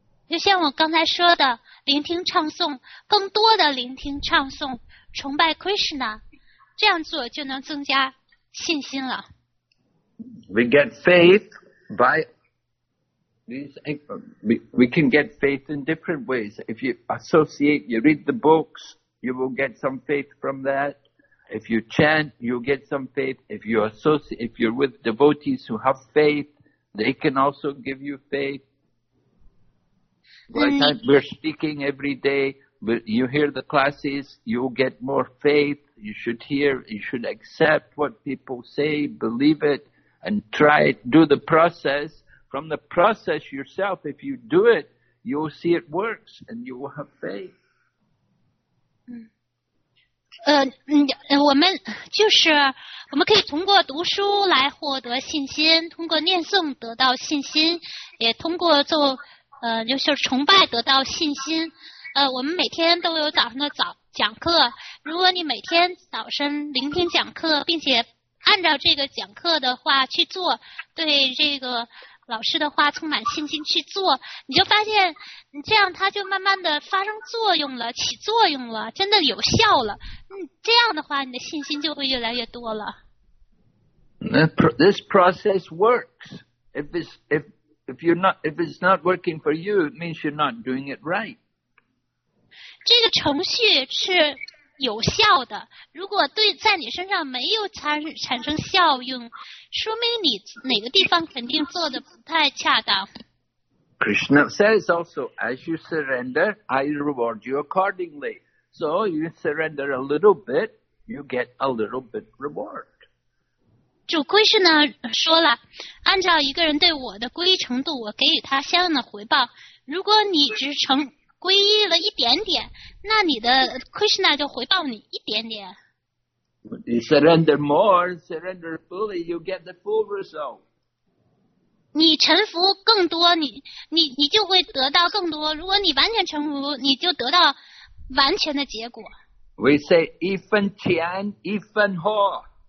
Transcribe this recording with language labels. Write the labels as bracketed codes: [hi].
[zh] 就像我刚才说的，聆听唱诵，更多的聆听唱诵，崇拜 Krishna, 这样做就能增加信心了。 [en] We get faith by... We can get faith in different ways. If you associate, you read the books, you will get some faith from that. If you chant, you get some faith. If you associate, if you're with devotees who have faith, they can also give you faith. Like we're speaking every day, but you hear the classes, you get more faith. You should hear, you should accept what people say, believe it, and try it, do the process. From the process yourself, if you do it, you'll see it works and you will have faith. [zh] 我们就是我们可以通过读书来获得信心，通过念诵得到信心，也通过做就是崇拜得到信心。我们每天都有早上的早讲课，如果你每天早晨聆听讲课，并且按照这个讲课的话去做，对这个老师的话充满信心去做，你就发现你这样它就慢慢的发生作用了，起作用了，真的有效了。这样的话你的信心就会越来越多了。 [en] This process works. If it's not working for you, it means you're not doing it right. [zh] 这个程序是有效的，如果对在你身上没有产生效用，说明你哪个地方肯定做的不太恰当。 [en] Krishna says also, as you surrender, I reward you accordingly. So you surrender a little bit, you get a little bit reward. [zh] 主 Krishna 说了，按照一个人对我的皈依程度，我给予他相应的回报。如果你只成皈依了一点点，那你的 Krishna 就回报你一点点。 [en] You surrender more, surrender fully, you get the full result. [zh] 你臣服更多，你就会得到更多。如果你完全臣服，你就得到完全的结果。 [en] We say [zh] 一分钱一分货， [en] right?